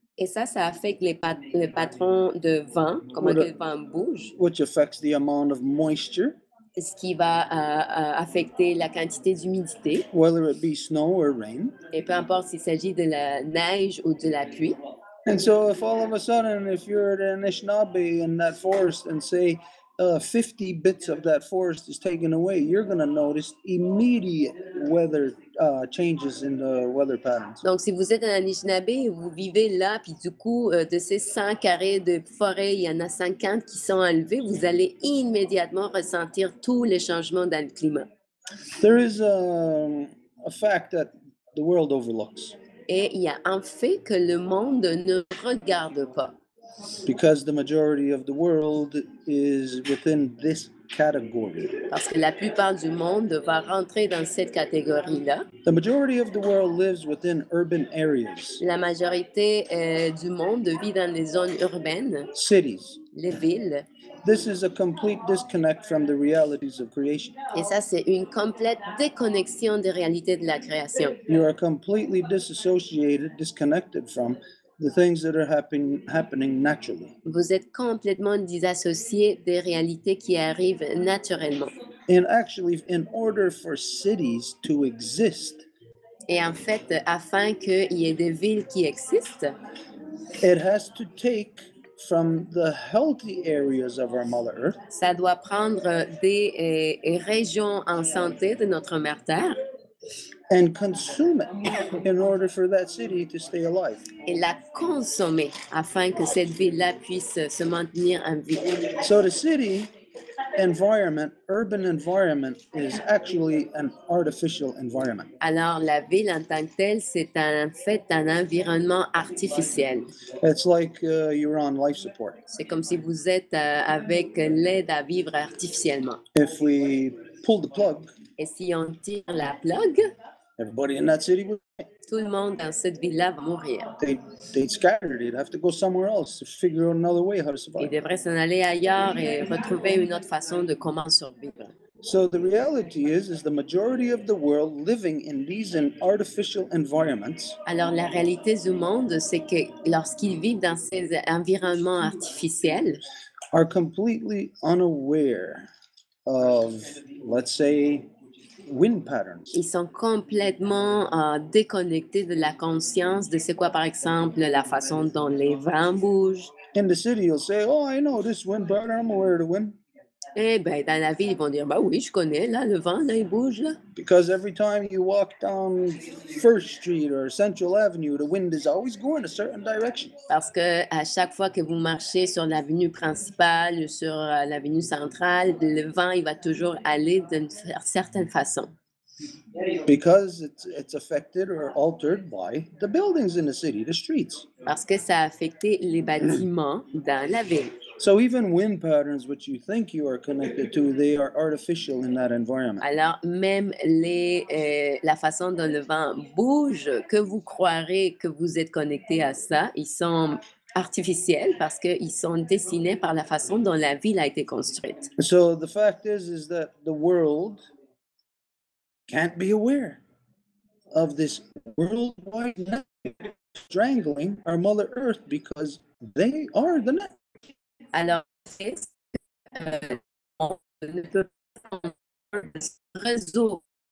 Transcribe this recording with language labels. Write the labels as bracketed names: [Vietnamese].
[French] Et ça affecte les patrons de vent, comment le vent bouge. [English] Which affects the amount of moisture. [French] Ce qui va affecter la quantité d'humidité. [English] Whether it be snow or rain. [French] Et peu importe s'il s'agit de la neige ou de la pluie. [English] And so if all of a sudden, if you're at Anishinaabe in that forest and say 50 bits of that forest is taken away, you're going to notice immediate weather changes in the weather patterns. [French] Donc si vous êtes à Anishinaabe, vous vivez là, puis du coup de ces 100 carrés de forêt, il y en a 50 qui sont enlevés, vous allez immédiatement ressentir tous les changements dans le climat. [English] There is a fact that the world overlooks. [French] Et il y a un fait que le monde ne regarde pas. [English] Because the majority of the world is within this category. [French] Parce que la plupart du monde va rentrer dans cette catégorie-là. [English] The majority of the world lives within urban areas. [French] La majorité du monde vit dans les zones urbaines. [English] Cities. [French] Les villes. [English] This is a complete disconnect from the realities of creation. [French] Et ça, c'est une complète déconnexion des réalités de la création. [English] You are completely disassociated, disconnected from the things that are happening naturally. [French] Vous êtes complètement dissocié des réalités qui arrivent naturellement. [English] And actually, in order for cities to exist, [French] et en fait, afin qu'il y ait des villes qui existent, [English] it has to take from the healthy areas of our Mother Earth. [French] Ça doit prendre des régions en santé de notre mère Terre. [English] And consume it in order for that city to stay alive. [French] Et la consommer afin que cette ville-là puisse se maintenir en vie. [English] So the city environment, urban environment, is actually an artificial environment. [French] Alors la ville en tant que telle, c'est en fait un environnement artificiel. [English] It's like you're on life support. [French] C'est comme si vous êtes avec l'aide à vivre artificiellement. [English] If we pull the plug. [French] Et si on tire la plug? [English] Everybody in that city would. [French] tout le monde dans cette ville-là va mourir. [English] They'd scatter. They'd have to go somewhere else to figure another way how to survive. [French] Ils devraient s'en aller ailleurs et retrouver une autre façon de comment survivre. [English] So the reality is the majority of the world living in these artificial environments. [French] Alors la réalité du monde, c'est que lorsqu'ils vivent dans ces environnements artificiels, [English] are completely unaware of, let's say, wind patterns. [French] Ils sont complètement déconnectés de la conscience de c'est quoi, par exemple, la façon dont les vents bougent. [English] In the city, you'll say, oh, I know this wind pattern, I'm aware of the wind. [French] Eh ben, dans la ville, ils vont dire, bah oui, je connais, là, le vent, là, il bouge, là. [English] Because every time you walk down First Street or Central Avenue, the wind is always going a certain direction. [French] Parce que à chaque fois que vous marchez sur l'avenue principale ou sur l'avenue centrale, le vent, il va toujours aller d'une certaine façon. [English] Because it's affected or altered by the buildings in the city, the streets. [French] Parce que ça a affecté les bâtiments dans la ville. [English] So even wind patterns, which you think you are connected to, they are artificial in that environment. [French] Alors même les la façon dont le vent bouge, que vous croirez que vous êtes connecté à ça, ils sont artificiels parce que ils sont dessinés par la façon dont la ville a été construite. [English] So the fact is that the world can't be aware of this worldwide network strangling our Mother Earth because they are the network. [French] Alors, on ne peut pas avoir ce réseau.